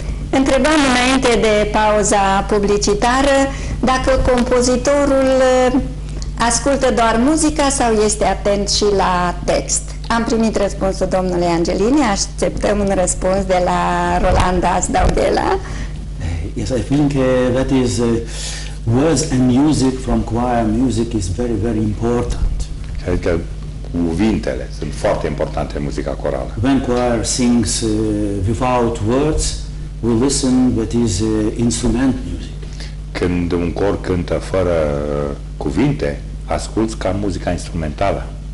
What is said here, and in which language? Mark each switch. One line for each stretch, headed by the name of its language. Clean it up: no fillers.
Romanian: Întrebam înainte de pauza publicitară dacă compozitorul ascultă doar muzica sau este atent și la text. Am primit răspunsul domnului Angelini, așteptăm un răspuns de la Rolanda Asdaudela.
English: Yes, I think that is words and music from choir music is very, very important.
Romanian: Cred că cuvintele sunt foarte importante în muzica corală.
English: When choir sings without words, we listen what is instrument music.
Romanian: Când un cor cântă fără cuvinte, ascult ca muzica instrumentală.